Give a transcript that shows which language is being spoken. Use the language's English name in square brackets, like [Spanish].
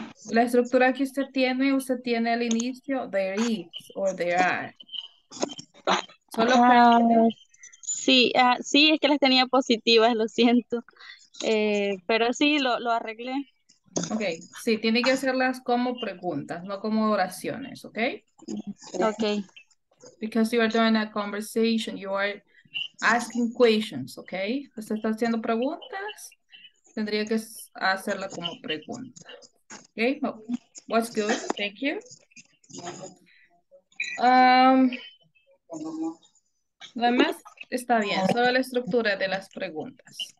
[Spanish] La estructura que usted tiene al inicio, [English] there is, or there are. [Spanish] Solo para... Sí, es que las tenía positivas, lo siento. Pero sí, lo arreglé. Ok, sí, tiene que hacerlas como preguntas, no como oraciones, ¿ok? Ok. [English] Because you are doing a conversation, you are asking questions, ¿ok? [Spanish] Usted está haciendo preguntas, tendría que hacerla como pregunta. [English] Ok, oh, what's good, thank you. [Spanish] Lo demás está bien, solo la estructura de las preguntas.